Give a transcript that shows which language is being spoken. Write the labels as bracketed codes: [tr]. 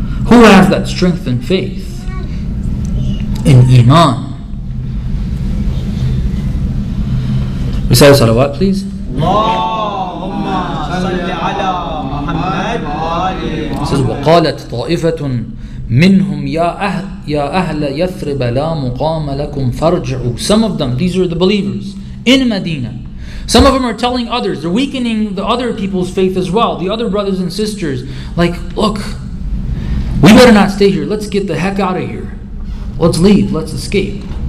[en] Who has that strength in faith? In Iman. Recite the salawat, please. [ar] Allahumma salli ala Muhammad wa ali Muhammad. [en] This is [ar] وَقَالَتْ طَائِفَةٌ منهم يا أهل يثرب لا مقام لكم فارجعوا. [en] Some of them, these are the believers in Medina. Some of them are telling others, they're weakening the other people's faith as well, the other brothers and sisters, like, look, we better not stay here, let's get the heck out of here, let's leave, let's escape.